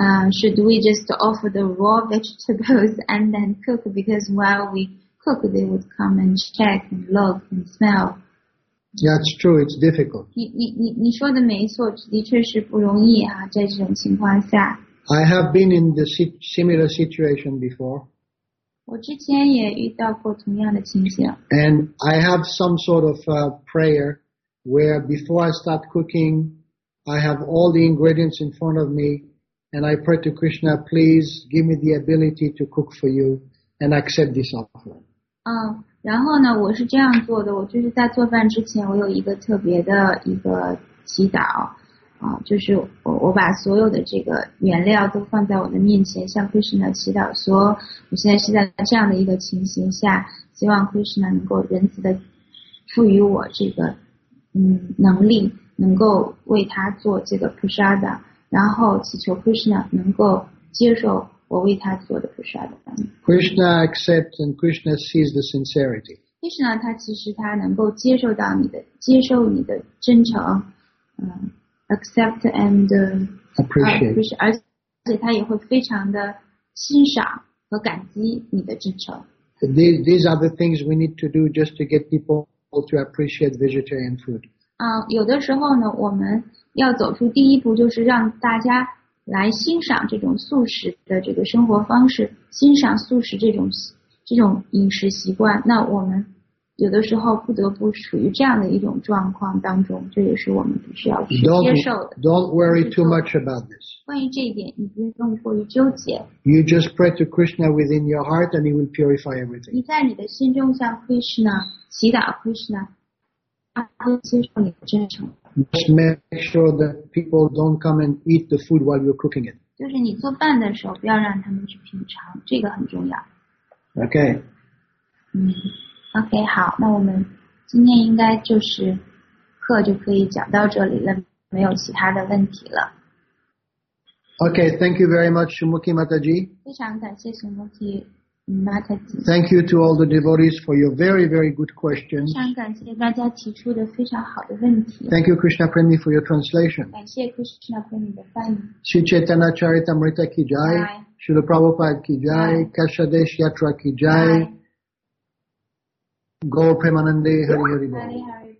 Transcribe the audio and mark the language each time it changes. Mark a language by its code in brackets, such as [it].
[en] Should we just offer the raw vegetables and then cook, because while we cook, they would come and check and look and smell. Yeah, it's true. It's difficult. [zh] 你说的没错，的确是不容易啊，在这种情况下。 [en] I have been in the similar situation before. [zh] 我之前也遇到过同样的情形。 [en] And I have some sort of prayer where before I start cooking, I have all the ingredients in front of me, and I pray to Krishna, please give me the ability to cook for you. And accept this offer. [zh] 然后呢，我是这样做的。我就是在做饭之前，我有一个特别的一个祈祷，就是我把所有的这个原料都放在我的面前，向 Krishna 祈祷说，我现在是在这样的一个情形下，希望 Krishna 能够仁慈的赋予我这个能力，能够为他做这个 prasada， 然后祈求 Krishna 能够接受。我为他做的 prasada。 [en] Krishna accepts and Krishna sees the sincerity. [zh] Krishna 他其实他能够接受到你的接受你的真诚， [en] accept and appreciate， [zh] 而且他也会非常的欣赏和感激你的真诚。 [en] These are the things we need to do just to get people to appreciate vegetarian food. [zh] 有的时候呢，我们要走出第一步，就是让大家来欣赏这种素食的这个生活方式，欣赏素食这种饮食习惯。那我们有的时候不得不处于这样的一种状况当中，这也是我们必须要去接受的。 [en] Don't worry too much about this. [zh] 关于这一点，你不用过于纠结。 [en] You just pray to Krishna within your heart, and He will purify everything. [zh] 你在你的心中向 Krishna 祈祷 ，Krishna 他会接受你的真诚。 [en] Just make sure that people don't come and eat the food while you're cooking it. [zh] 就是你做饭的时候，不要让他们去品尝，这个很重要。 [en] Okay. [zh] OK, 好，那我们今天应该就是课就可以讲到这里了，没有其他的问题了。 [en] OK, thank you very much, Shumukhi Mataji. [zh] 非常感谢 Shumukhi Mataji. [en] Thank you to all the devotees for your very, very good questions. [zh] 非常感谢大家提出的非常好的问题。 [en] Thank you, Krishna Premi, for your translation. [zh] 感谢 Krishna Premi 的翻译。 [sa] Sri Chaitanya Charitamrita Ki Jai, Srila Prabhupada Ki Jai, Kesha Desh Yatra Ki Jai,Go Premanande Hari Hari